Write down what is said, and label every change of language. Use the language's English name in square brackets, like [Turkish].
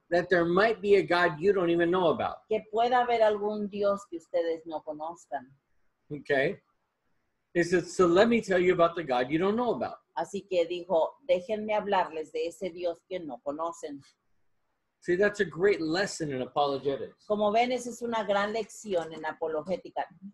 [English] That there might be a God you don't even know about. [Spanish] Que pueda haber algún Dios que ustedes no conozcan. [English] Okay. He says, so let me tell you about the God you don't know about. [Spanish] Así que dijo, déjenme hablarles de ese Dios que no conocen. [English] See, that's a great lesson in apologetics. [Spanish] Como ven, esa es una gran lección en apologética.